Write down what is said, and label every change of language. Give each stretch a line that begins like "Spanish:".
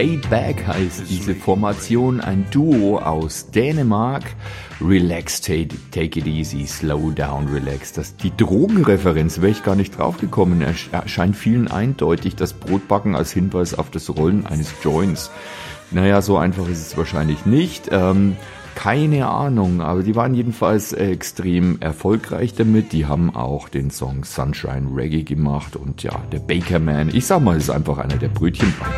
German: Back heißt diese Formation, ein Duo aus Dänemark.
English: Relax, take it easy, slow down, relax.
German: Das, die Drogenreferenz wäre ich gar nicht drauf gekommen. Erscheint vielen eindeutig, das Brotbacken als Hinweis auf das Rollen eines Joints. Naja, so einfach ist es wahrscheinlich nicht. Keine Ahnung, aber die waren jedenfalls extrem erfolgreich damit. Die haben auch den Song Sunshine Reggae gemacht. Und ja, der Bakerman, ich sag mal, ist einfach einer der Brötchen.